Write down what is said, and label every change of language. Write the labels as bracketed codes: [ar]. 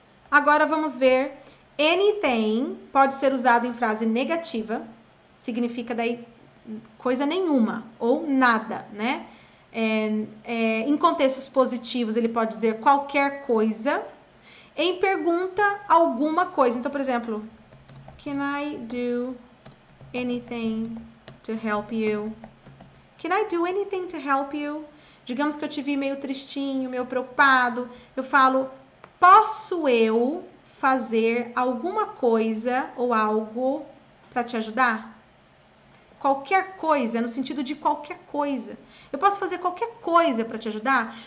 [pt] Agora vamos ver. Anything pode ser usado em frase negativa. Significa daí coisa nenhuma ou nada, né? Em contextos positivos, ele pode dizer qualquer coisa. Em pergunta, alguma coisa. Então, por exemplo, [en] Can I do anything to help you? Can I do anything to help you? [pt] Digamos que eu te vi meio tristinho, meio preocupado. Eu falo: posso eu fazer alguma coisa ou algo para te ajudar? Qualquer coisa, no sentido de qualquer coisa. Eu posso fazer qualquer coisa para te ajudar?